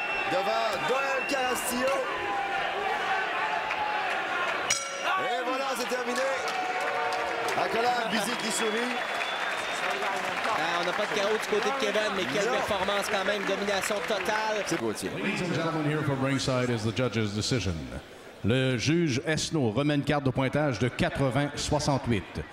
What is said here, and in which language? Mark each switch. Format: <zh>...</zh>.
<fr>Devant Doyle Carrasco. Et voilà, c'est terminé. Accolade Bizier qui sourit. On n'a pas de chaos du côté de Kevin, mais quelle performance quand même, domination totale. C'est Gauthier.</fr> <en>Ladies and gentlemen, here from ringside is the judge's decision.</en> <fr>Le juge Esno remet une carte de pointage de 80-68.</fr>